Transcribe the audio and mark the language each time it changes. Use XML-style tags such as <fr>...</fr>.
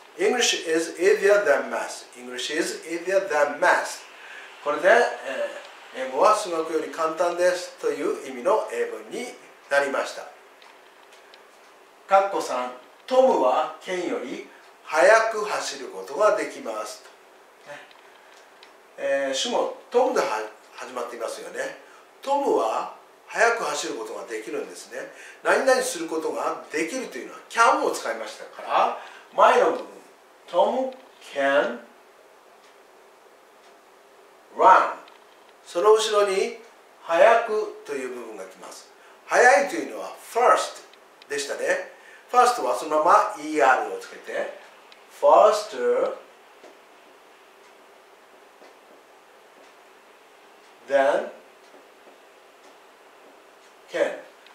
<en>English is easier than math. English is easier than math.</en> <ja>これで、英語は数学より簡単ですという意味の英文になりました。カッコ3、トムはケンより速く走ることができます。主語、トムで始まっていますよね。トムは速く走ることができるんですね。何々することができるというのは can を使いましたから、前の部分、</ja> <en>Tom can run。</en> <ja>その後ろに速くという部分がきます。速いというのは first でしたね。 first はそのまま er をつけて</ja> <en>faster than can。</en>